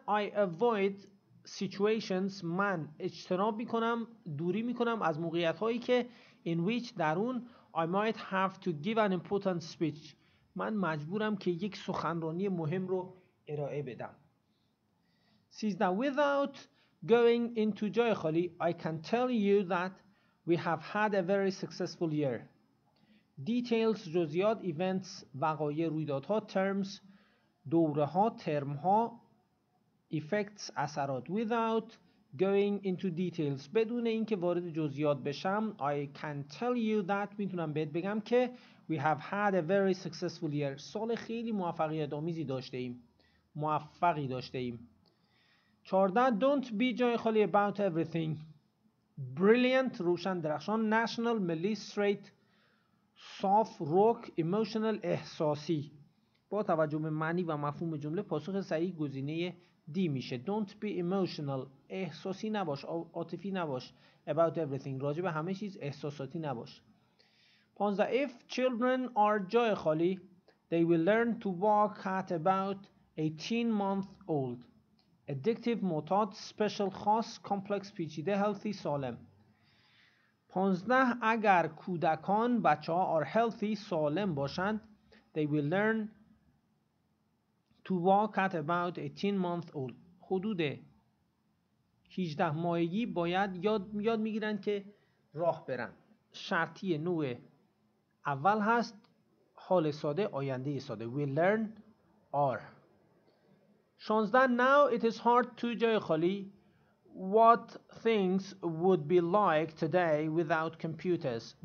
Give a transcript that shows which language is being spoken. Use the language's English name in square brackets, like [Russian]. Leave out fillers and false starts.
[Persian] I avoid situations، من اجتناب میکنم، دوری میکنم از موقعیت هایی که in which، درون، I might have to give an important speech، من مجبورم که یک سخنرانی مهم رو ارائه بدم. 13. [English] Without going into joy خالی، I can tell you that we have had a very successful year. [Persian] Details جزئیات، events وقایع، رویدادها، terms دوره ها، ترم ها، effects اثرات. Without going into details، بدون اینکه وارد جزئیات بشم، I can tell you that، میتونم بهت بگم که we have had a very successful year، سال خیلی موفقیت آمیزی داشته ایم، موفقی داشته ایم. 14. [English] Don't be joy خالی about everything. Brilliant روشن، درخشان، national ملی، straight soft rock، emotional احساسی. [Persian] با توجه به معنی و مفهوم جمله پاسخ صحیح گزینه دی میشه. Don't be emotional، احساسی نباش، عاطفی نباش، about everything، راجع به همه چیز احساساتی نباش. 15. [English] If children are joy خالی، they will learn to walk at about 18 months old. [Persian] Addictive معتاد، special خاص، complex پیچیده، healthy سالم. 15. اگر کودکان، بچه ها، are healthy، سالم باشند، they will learn to walk at about 18 months old، حدود 18 ماهگی باید یاد میگیرن که راه برن. شرطی نوع اول هست، حال ساده، آینده ساده، we learn are. 16. [English] Now it is hard to جای خالی، what things would be like today without computers.